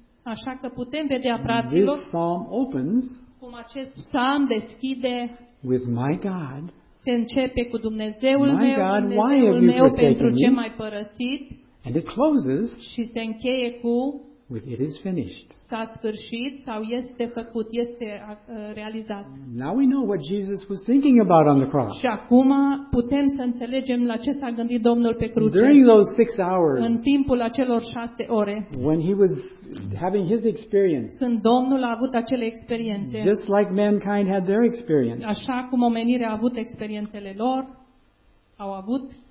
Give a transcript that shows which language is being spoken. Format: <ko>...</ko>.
<ro>Așa că putem vedea, fraților, cum acest psalm deschide</ro> <en>with my God,</en> <ro>se începe cu Dumnezeul</ro> <en>my God,</en> <ro>meu, Dumnezeul</ro> <en>why have</en> <ro>meu</ro> <en>you forsaken</en> <ro>pentru ce m-ai părăsit</ro> <en>and it closes,</en> <ro>și se încheie cu</ro> <en>with it is finished.</en> <ro>S-a sfârșit sau este făcut, este realizat.</ro> <en>Now we know what Jesus was thinking about on the cross.</en> <ro>Și acum putem să înțelegem la ce s-a gândit Domnul pe cruce.</ro> <en>During those 6 hours,</en> <ro>în timpul acelor 6 ore,</ro> <en>when he was having his experience,</en> <ro>când Domnul a avut acele experiențe,</ro> <en>just like mankind had their experience,</en> <ro>așa cum omenirea a avut experiențele lor, au avut.</ro>